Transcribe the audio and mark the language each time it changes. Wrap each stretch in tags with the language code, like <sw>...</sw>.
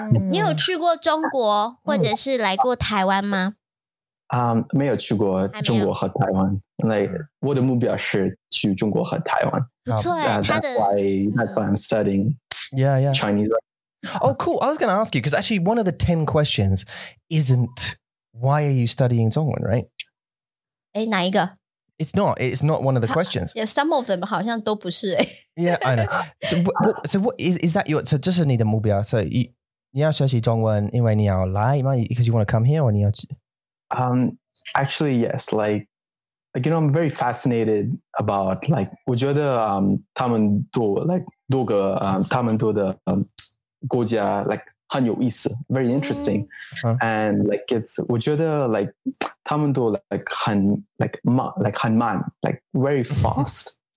<zh>你有去过中国或者是来过台湾吗? 没有去过中国和台湾。我的目标是去中国和台湾。</zh> <en>That's why I'm studying Chinese. Oh, cool. I was going to ask you, because actually one of the 10 questions isn't why are you studying 中文, right?</en> <zh>诶,哪一个?</zh> <en>It's not one of the questions. Yeah, some of them</en> <zh>好像都不是。</zh> <en>Yeah, I know. So</en> <zh>这是你的目标? So 你要学习中文因为你要来吗?</zh> <en>Because you want to come here or</en> <zh>你要去?</zh> <en>Actually, yes. Like, you know, I'm very fascinated about, like,</en> <zh>我觉得他们多,</zh> <en>like,</en> <zh>多个, 他们多的国家,</zh> <en>like,</en> <zh>很有意思,</zh> <en>very interesting. And, like, it's,</en> <zh>我觉得,</zh> <en>like,</en> <zh>他们多,</zh> <en>like, 很, like, 慢, like,</en> <zh>很慢,</zh> <en>like, very fast.</en>